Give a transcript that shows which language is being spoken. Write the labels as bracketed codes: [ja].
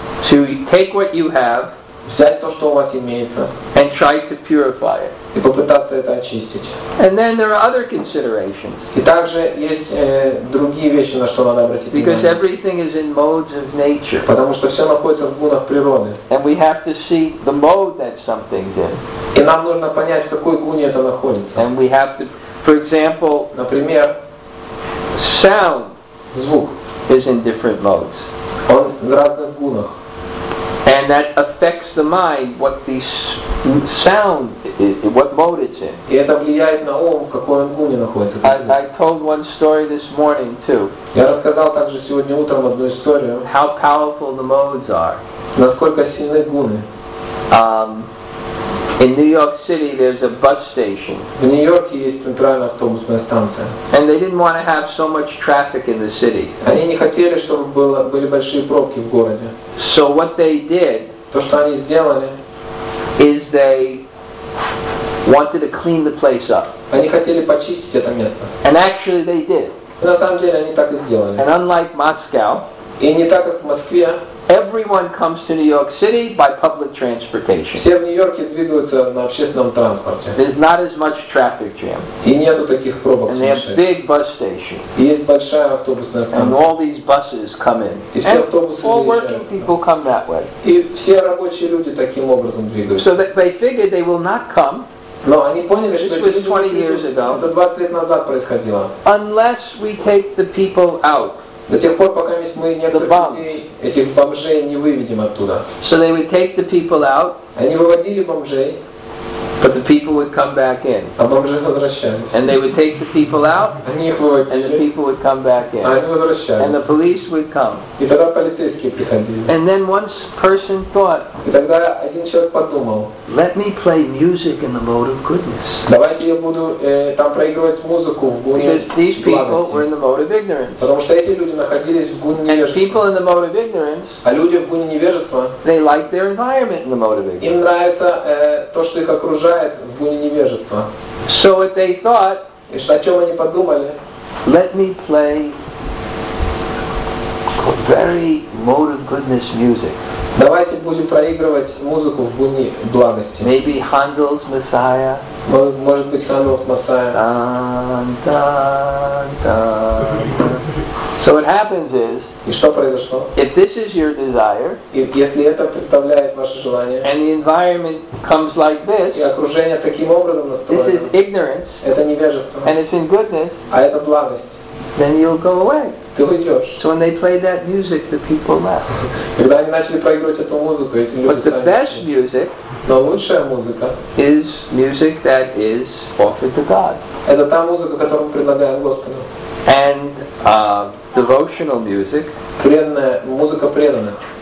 [en] To take what you have, [ru] взять то, что у вас имеется, [en] and try to purify it, [ru] и попытаться это очистить. [en] And then there are other considerations. [ru] И также есть другие вещи, на что надо обратить [en] Because [ru] внимание. [en] Everything is in modes of nature. [ru] Потому что все находится в гунах природы. [en] And we have to see the mode that something's in. [ru] И нам нужно понять, в какой гуне это находится. [en] And we have to, for example, [ru] например, [en] sound, [ru] звук, [en] is in different modes. [ru] Он в разных гунах. [en] And that affects the mind, what the sound is, what mode it's in. [ru] И это влияет на ум, в какой он гуне находится. [en] I told one story this morning too. [ru] Я рассказал также сегодня утром одну историю. [en] How powerful the modes are. [ru] Насколько сильны гуны. [en] In New York City, there's a bus station. [ru] В Нью-Йорке есть центральная автобусная станция. [en] And they didn't want to have so much traffic in the city. [ru] Они не хотели, чтобы были большие пробки в городе. [en] So what they did, [ru] то, что они сделали, [en] is they wanted to clean the place up. [ru] Они хотели почистить это место. [en] And actually they did. [ru] На самом деле они так и сделали. [en] And unlike Moscow, [ru] и не так, как в Москве, [en] everyone comes to New York City by public transportation. [ru] Все в Нью-Йорке двигаются на общественном транспорте. [en] There's not as much traffic jam. [ru] И нету таких пробок. [en] And there's big bus station. [ru] И есть большая автобусная станция. [en] And all these buses come in. [ru] И все автобусы [en] all working people come that way. [ru] И все рабочие люди таким образом двигаются. [en] So they figured they will not come. [ru] Но они поняли, [en] this was 20 years ago. [ru] Это 20 лет назад происходило. [en] Unless we take the people out. [ru] До тех пор, пока мы некоторых людей, этих бомжей, не выведем оттуда. [en] So they would take the people out, [ru] они выводили бомжей, [en] but the people would come back in. [ru] А бомжи возвращались. [en] And they would take the people out, [ru] они их выводили, [en] and the people would come back in. [ru] А они возвращались. [en] And the police would come. [ru] И тогда полицейские приходили. [en] And then one person thought, [ru] и тогда один человек подумал, [en] let me play music in the mode of goodness. [ru] Давайте я буду там проигрывать музыку в гуне благости. [en] Because these people were in the mode of ignorance. [ru] Потому что эти люди находились в гуне невежества. [en] And people in the mode of ignorance, [ru] а люди в гуне невежества, [en] they like their environment in the mode of ignorance. [ru] Им нравится то, что их окружает в гуне невежества. [en] So what they thought, [ru] и что, о чем они подумали, [en] let me play very mode of goodness music. [ru] Давайте будем проигрывать музыку в гуне благости. [en] Maybe Handel's Messiah. [ru] Может быть, Handel's Messiah. [en] Dun, dun, dun, dun. So what happens is, [ru] и что произошло? [en] If this is your desire, [ru] и если это представляет ваше желание, [en] and the environment comes like this, [ru] и окружение таким образом настроено, [en] this is ignorance, [ru] это невежество, [en] and it's in goodness, [ru] а это благость, [en] then you'll go away. [ru] Ты уйдешь. [en] So when they played that music, the people left. [ru] Когда они начали проигрывать эту музыку, эти люди сами. [en] But the best music, [ru] но лучшая музыка, [en] is music that is offered to God. [ru] Это та музыка, которую мы предлагаем Господу. [en] And devotional music. [ru] Преданная музыка преданных.